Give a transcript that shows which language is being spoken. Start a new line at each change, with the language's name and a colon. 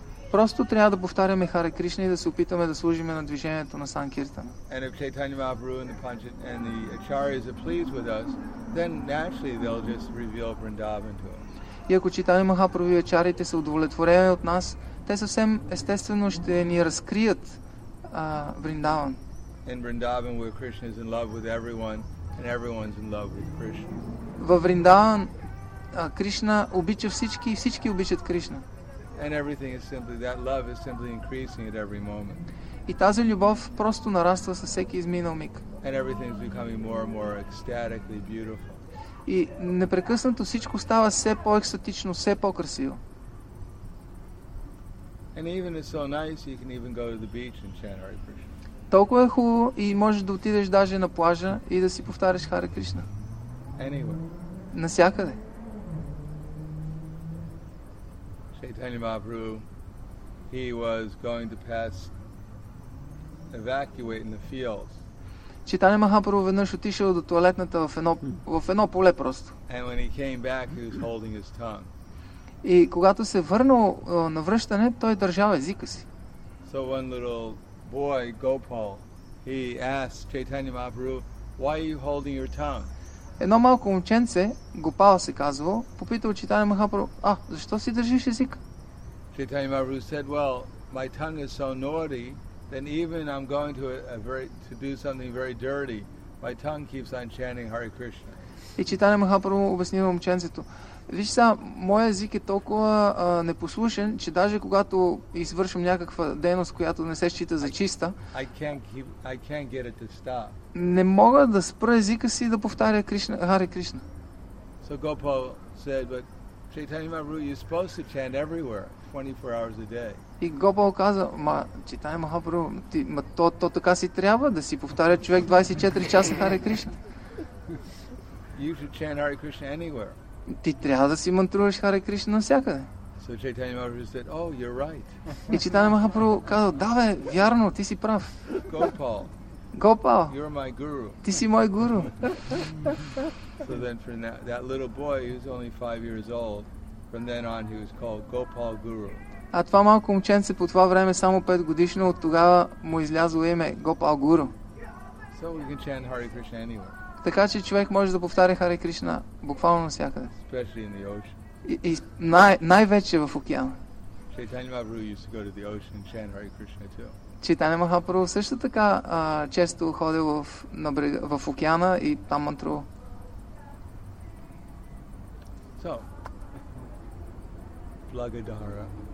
Bulgarian: Просто трябва да повтаряме Харе Кришна и да се опитаме да служим на движението на Санкиртана.
English: And if Chaitanya Mahaprabhu and the Panchit and the Acharyas are pleased with us, then naturally they'll just reveal Vrindavan to us.
Bulgarian: И ако Чайтанья Махапрабху и Ачарите са удовлетворени от нас, те съвсем естествено ще ни разкрият Вриндаван.
English: In Vrindavan where Krishna is in love with everyone and everyone's in love with Krishna.
Bulgarian: Във Вриндаван Кришна обича всички и всички обичат Кришна.
English: And everything is simply that love is simply increasing at every moment.
Bulgarian: И тази любов просто нараства със всеки изминал миг.
English: And everything is becoming more and more ecstatically beautiful.
Bulgarian: И непрекъснато всичко става все по-екстатично, все по-красиво.
English: And even it's so nice you can even go to the beach and chant Hare Krishna.
Bulgarian: Толкова е хубаво и можеш да отидеш даже на плажа и да си повтаряш Харе Кришна.
English: Anywhere.
Bulgarian: Насякъде.
English: Chaitanya Mahaprabhu, he was going to pass evacuate in the fields.
Bulgarian: Чайтанья Махапрабху веднъж отишъл до тоалетната в едно поле просто.
English: And when he came back, he was holding his tongue.
Bulgarian: И когато се върнал на връщане, той държал езика си.
English: So one little boy, Gopal, he asked Chaitanya Mahaprabhu, why are you holding your tongue?
Bulgarian: Едно малко момченце, Гопала се казвало, попитал Чайтанья Махапрабху, защо си държиш език?
English: Chaitanya Mahaprabhu said, well, my tongue is so naughty, then even I'm going to do something very dirty, my tongue keeps on chanting Hare Krishna.
Bulgarian: И Чайтанья Махапрабху обяснил момченцето, виж сега, моя език е толкова непослушен, че даже когато извършвам някаква дейност, която не се счита за чиста,
English: I can't get it to stop.
Bulgarian: Не мога да спра езика си да повтаря Кришна, Харе Кришна.
English: So Gopal said, but Chaitanya Mahaprabhu, you're supposed to chant everywhere, 24 hours a day.
Bulgarian: И Гопал каза, Чайтанья Махапрабху, то така си трябва да си повтаря човек 24 часа Харе Кришна.
English: You should chant Hare Krishna anywhere.
Bulgarian: Ти трябва да си мантруваш Харе Кришна навсякъде.
English: So Chaitanya Mahaprabhu said, oh, you're right.
Bulgarian: И Чайтанья Махапрабху каза, да бе, вярно, ти си прав.
English: Gopal, you're my guru.
Bulgarian: Ти си мой гуру.
English: So then from that little boy, he was only 5 years old, from then on he was called Gopal Guru.
Bulgarian: А това малко момченце по това време само 5 годишно, от тогава му излязло име Гопал Гуру.
English: So we can chant Hare Krishna anywhere.
Bulgarian: Така че човек може да повтаря Харе Кришна буквално навсякъде.
English: Especially in the ocean.
Bulgarian: И най-вече в океана.
English: Chaitanya Mahaprabhu used to go to the ocean and chant Hare Krishna too.
Bulgarian: Чайтанья Махапрабху също така често ходил в океана и там мантрувал. So, Благодара.